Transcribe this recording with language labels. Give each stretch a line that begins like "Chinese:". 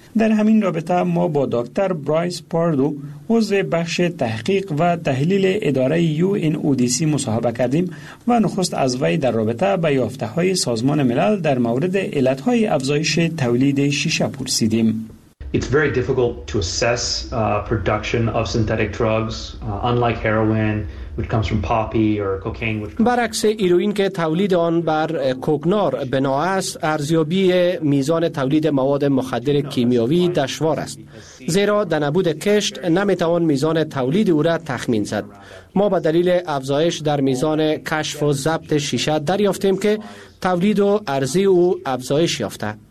Persian: در همین رابطه ما با دکتر برایس پاردو، عضو بخش تحقیق و تحلیل اداره UNODC مصاحبه کردیم و نخست از وی در رابطه به یافته های سازمان ملل در مورد علت های افزایش تولید شیشه پرسیدیم.
English: It's very difficult to assess production of synthetic drugs, unlike heroin, which comes from poppy or cocaine.
Persian: برعکس ایروین که تولید آن بر کوکنار بنا است، ارزیابی میزان تولید مواد مخدر کیمیاوی دشوار است. زیرا در نبود کشت نمیتوان میزان تولید او را تخمین زد. ما به دلیل افزایش در میزان کشف و ضبط شیشه دریافتیم که تولید و ارزی او افزایش یافته.